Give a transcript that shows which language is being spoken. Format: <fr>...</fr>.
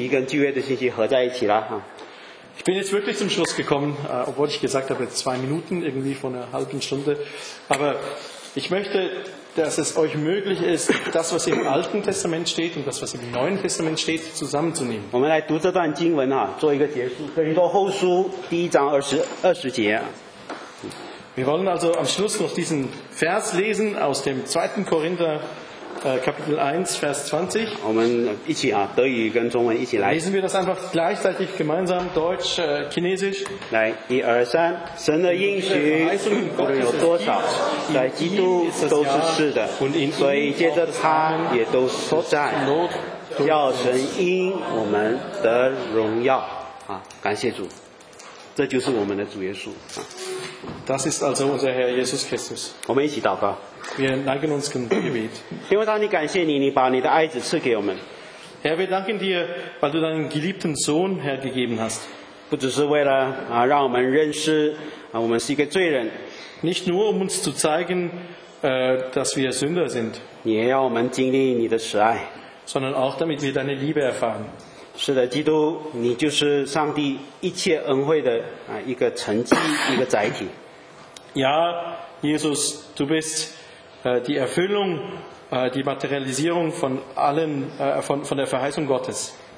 <zh>我知道我不诚实，我讲两分钟，我讲了半小时。不过我讲完了，真的啊。我在结束之前，我希望当然你把一个新约的信息跟旧约的信息合在一起了啊。I</zh> <de>bin jetzt wirklich zum Schluss gekommen, obwohl ich gesagt habe zwei Minuten irgendwie von einer halben Stunde. Aber ich möchte, dass es euch möglich ist, das, was im Alten Testament steht und das, was im Neuen Testament steht, zusammenzunehmen.</de> <zh>我们来读这段经文啊，做一个结束。哥林多后书第一章二十节。</zh> <de>Wir wollen also am Schluss noch diesen Vers lesen aus dem 2. Korinther Kapitel 1, Vers 20.</de> <zh>我们一起啊, 德语跟中文一起来。</zh> <de>Lesen wir das einfach gleichzeitig gemeinsam, Deutsch, Chinesisch.</de> <zh>来,一二三, 神的应许有多少,在基督都是是的,所以借着他也都所在,要神因我们得荣耀。感谢主。这就是我们的主耶稣。</zh> <de>Das ist also unser Herr Jesus Christus.</de> <zh>我们一起祷告。</zh> <de>Wir neigen uns zum Gebet.</de> <zh>天父上帝感谢你, 你把你的爱子赐给我们。</zh> <de>Herr, wir danken dir, weil du deinen geliebten Sohn hergegeben hast.</de> <zh>不只是为了, 让我们认识, 我们是一个罪人。</zh> <de>Nicht nur, um uns zu zeigen, dass wir Sünder sind.</de> <zh>也要我们经历你的慈爱。</zh> <de>Sondern auch, damit wir deine Liebe erfahren.</de> <zh>是的，基督，你就是上帝一切恩惠的啊一个成绩，一个载体。</zh> <de>Ja, Jesus, du bist die Erfüllung, die Materialisierung von allen von der Verheißung Gottes.</de>